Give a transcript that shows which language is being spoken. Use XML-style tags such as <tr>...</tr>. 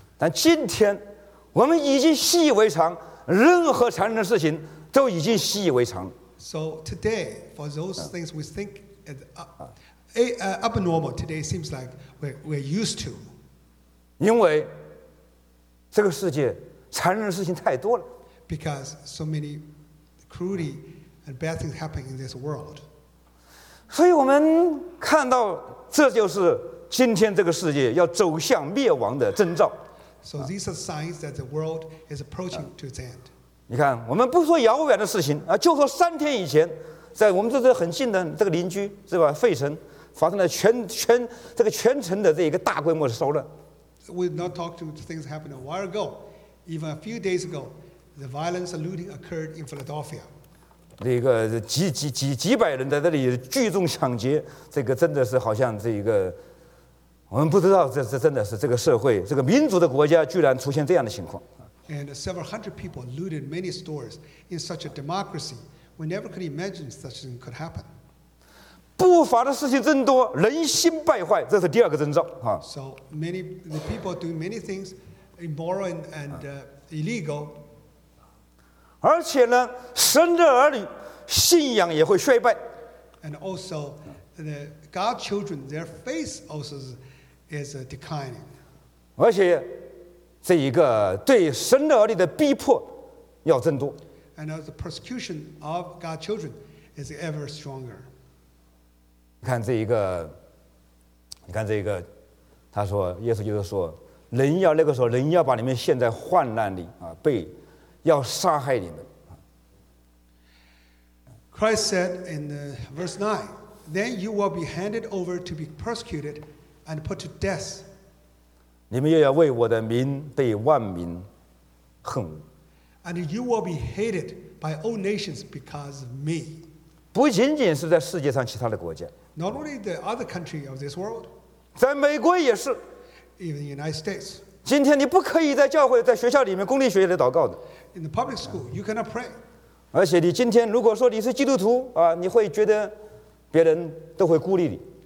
<zh>但今天我们已经习以为常，任何残忍的事情都已经习以为常。</zh> <en>So today, for those things we think. Abnormal today seems like we're used to.</en> <zh>因为这个世界残忍的事情太多了。</zh> <en>Because so many cruelty and bad things happen in this world.</en> <zh>所以我们看到这就是今天这个世界要走向灭亡的征兆。</zh> <en>So these are signs that the world is approaching to its end.</en> <zh>你看，我们不说遥远的事情啊，就说三天以前。在我们这很近的这个邻居是吧？费城发生了全这个全城的这一个大规模的骚乱。</zh> <en>We've not talked to things happened a while ago, even a few days ago, the violence and looting occurred in Philadelphia.</en> <zh>这个几百人在这里聚众抢劫，这个真的是好像这一个，我们不知道这真的是这个社会这个民主的国家居然出现这样的情况。</zh> <en>And several hundred people looted many stores in such a democracy. We never could imagine such thing could happen.</en> <zh>不法的事情增多，人心败坏，这是第二个征兆啊。</zh> <en>So many the people doing many things immoral and illegal.</en> <zh>而且呢，神的儿女信仰也会衰败。</zh> <en>And also, the God children, their faith also is declining.</en> <zh>而且，这一个对神的儿女的逼迫要增多。</zh> <en>And the persecution of God's children is ever stronger.</en> <zh>你看这一个，你看这一个，他说，耶稣就是说，人要那个时候，人要把你们陷在患难里啊，被要杀害你们。</zh> <en>Christ said in verse 9, "Then you will be handed over to be persecuted and put to death."</en> <zh>你们又要为我的名被万民恨恶。</zh> <en>And you will be hated by all nations because of me.</en> <zh>不仅仅是在世界上其他的国家。</zh> <en>Not only the other country of this world.</en> <zh>在美国也是。</zh> <en>Even in the United States.</en> <zh>今天你不可以在教会、在学校里面、公立学校里祷告的。</zh> <en>In the public school, you cannot pray.</en> <zh>而且你今天如果说你是基督徒啊，你会觉得别人都会孤立你。</zh>